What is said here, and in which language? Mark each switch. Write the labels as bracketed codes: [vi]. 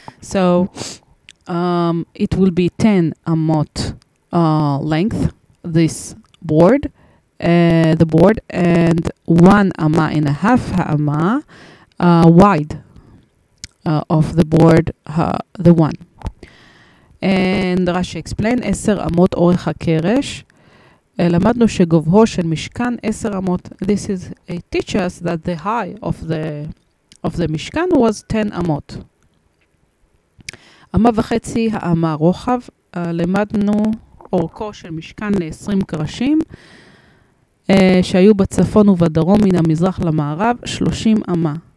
[en] So it will be 10 Amot length, this board, and 1 Ama and a half Ama wide of the board, the one. And Rashi explained, [he] 10 Amot Orech HaKeresh. למדנו שגובהו של משכן 10 אמות. [en] This is a teach us that the high of the משכן was 10 אמות. [he] אמה וחצי האמה רוחב. למדנו אורכו של משכן ל-20 קרשים, שהיו בצפון ובדרום מן המזרח למערב 30 אמה.